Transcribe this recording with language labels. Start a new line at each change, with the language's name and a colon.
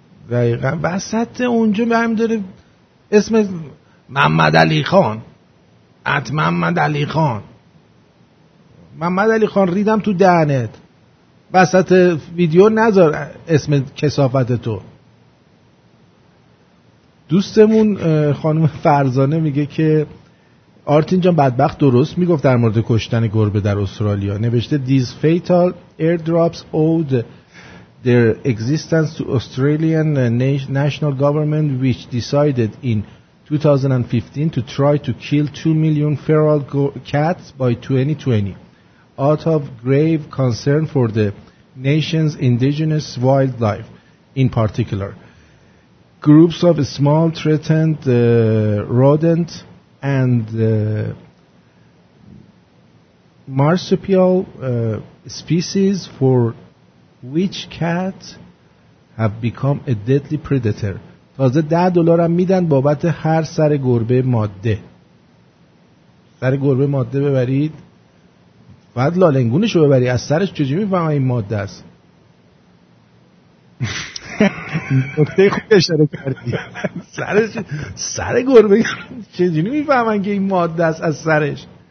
Persian: دقیقا وسط اونجا برمیداره اسم محمد علی خان، ات محمد علی خان، محمد علی خان ریدم تو دهنت. وسط ویدیو نذار اسم کثافت تو. دوستمون خانم فرزانه میگه که آرتین جان بدبخت درست میگفت در مورد کشتن گربه در استرالیا. نوشته
English: These fatal airdrops owed their existence to Australian national government which decided in 2015 to try to kill 2 million feral cats by 2020 out of grave concern for the nation's indigenous wildlife in particular. Groups of small threatened rodent and marsupial species for which cat have become a deadly predator.
Persian: تازه $10 هم میدن بابت هر سر گربه ماده. سر گربه ماده ببرید بعد لالنگونش رو ببری از سرش چجوری میفهمی این ماده است؟ نکته خوب اشاره کردی. سر گربه چجوری میفهمن که این ماده است از سرش؟